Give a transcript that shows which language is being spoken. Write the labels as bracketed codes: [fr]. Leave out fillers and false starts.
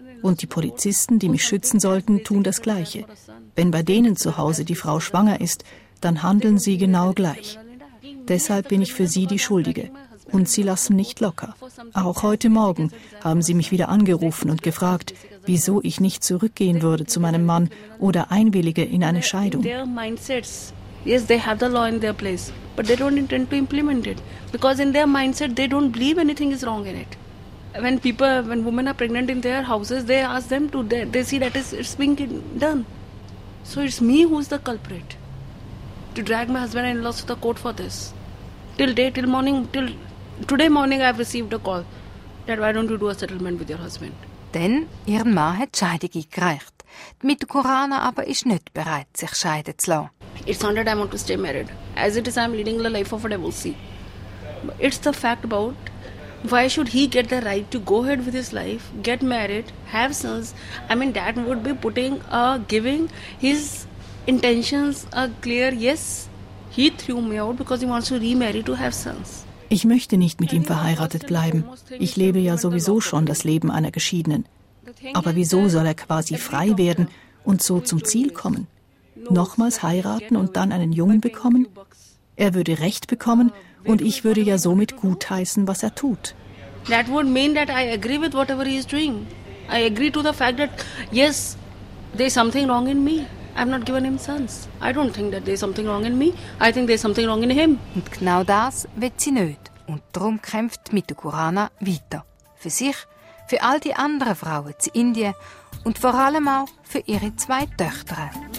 [de] Und die Polizisten, die mich schützen sollten, tun das Gleiche. Wenn bei denen zu Hause die Frau schwanger ist, dann handeln sie genau gleich. Deshalb bin ich für sie die Schuldige. Und sie lassen nicht locker. Auch heute Morgen haben sie mich wieder angerufen und gefragt, wieso ich nicht zurückgehen würde zu meinem Mann oder einwillige in eine Scheidung. [en] Yes, they have the law in their place, but they don't intend to implement it. Because in their mindset, they don't believe anything is wrong in it. When women are pregnant in their houses, they ask them to, they see that it's being done. So it's me who's the culprit. To drag my husband and in-laws to the court for this. Till today morning, I've received a call that why don't you do a settlement with your husband? [de] Denn ihren Mann hat Scheidung gereicht. Mit Corona aber ist nicht bereit, sich scheiden zu lassen. [en] It's not that I want to stay married. As it is, I'm leading the life of a divorcee. It's the fact about why should he get the right to go ahead with his life, get married, have sons. I mean, dad would be giving his intentions a clear yes. He threw me out because he wants to remarry to have sons. [de] Ich möchte nicht mit ihm verheiratet bleiben. Ich lebe ja sowieso schon das Leben einer Geschiedenen. Aber wieso soll er quasi frei werden und so zum Ziel kommen? Nochmals heiraten und dann einen Jungen bekommen? Er würde Recht bekommen und ich würde ja somit gutheißen, was er tut. [en] That would mean that I agree with whatever he is doing. I agree to the fact that, yes, there is something wrong in me. I've not given him sons. I don't think that there is something wrong in me. I think there is something wrong in him. [de] Und genau das will sie nicht. Und darum kämpft mit der Corona weiter. Für sich, für all die anderen Frauen zu Indien und vor allem auch für ihre zwei Töchter.